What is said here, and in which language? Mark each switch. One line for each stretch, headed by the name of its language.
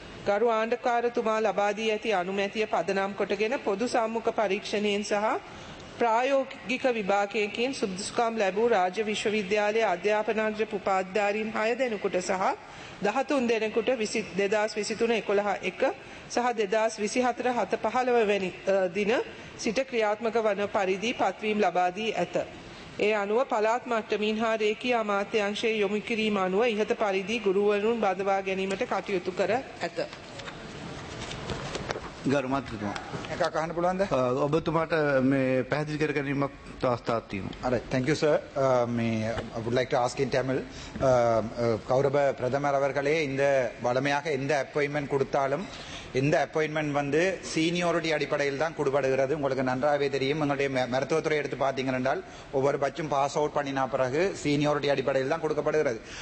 Sinhala: ගරු ආණ්ඩුකාරතුමා ලබා දී ඇති අනුමැතිය පදනම් කොටගෙන පොදු සම්මුඛ පරීක්ෂණයෙන් සහ ප්‍රායෝගික විභාගයකින් සුදුසුකම් ලැබූ රාජ්‍ය විශ්වවිද්‍යාලයේ අධ්‍යාපනාංශ උපාධිධාරීන් 6 දෙනෙකුට සහ 13 දෙනෙකුට 2023-11-1 සහ 2024-07-15 වැනි දින සිට ක්‍රියාත්මක වන පරිදි පත්වීම් ලබා දී ඇත. ඒ අනුව පළාත් මට්ටමින් හා රේකී අමාත්‍යංශයේ යොමු කිරීම අනුව ඉහත පරිදි ගුරුවරුන් බඳවා ගැනීමට කටයුතු කර ඇත. ගරු මාත්‍රතුමා, එකක් අහන්න පුළුවන්ද? ඔබතුමාට මේ පැහැදිලි කර ගැනීමක් අවස්ථාවක් තියෙනවා.
English: අර thank you sir. මේ I would like to ask in tamil.
Tamil: கௌரவ பிரதமர் அவர்களே இந்த வளமையாக இந்த அப்பாயின்ட்மென்ட் கொடுத்தாலும் இந்த அப்பாயின்ட்மென்ட் வந்து சீனியாரிட்டி அடிப்படையில் தான் கொடுபடுகிறது. உங்களுக்கு நன்றாகவே தெரியும். எங்களுடைய மருத்துவத்துறை எடுத்து பார்த்தீங்கன்னா ஒவ்வொரு பச்சும் பாஸ் அவுட் பண்ணினா பிறகு சீனியாரிட்டி அடிப்படையில் தான் கொடுக்கப்படுகிறது.